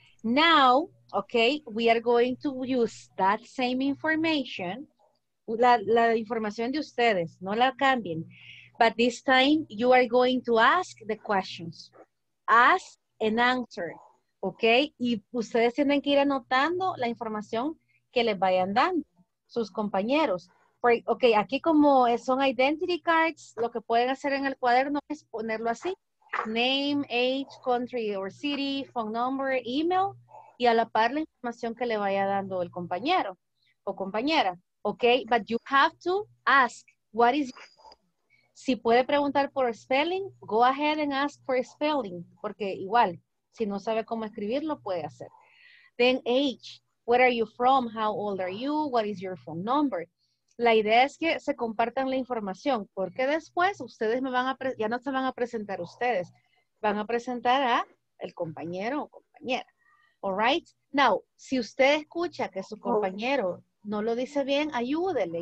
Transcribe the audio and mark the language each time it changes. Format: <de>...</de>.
<en>Now, okay, we are going to use that same information.</en> <es>La información de ustedes, no la cambien.</es> <en>But this time, you are going to ask the questions. Ask and answer, okay?</en> <es>Y ustedes tienen que ir anotando la información que les vayan dando sus compañeros. Okay, aquí como son identity cards, lo que pueden hacer en el cuaderno es ponerlo así.</es> <en>Name, age, country or city, phone number, email,</en> <es>y a la par la información que le vaya dando el compañero o compañera.</es> <en>Okay, but you have to ask, what is...</en> <es>Si puede preguntar por spelling,</es> <en>go ahead and ask for spelling,</en> <es>porque igual, si no sabe cómo escribirlo, puede hacer.</es> <en>Then age, where are you from, how old are you, what is your phone number?</en> <es>La idea es que se compartan la información, porque después ustedes me van a ya no se van a presentar ustedes, van a presentar a el compañero o compañera.</es> <en>All right?</en> <es>Now, si usted escucha que su compañero no lo dice bien, ayúdele.</es>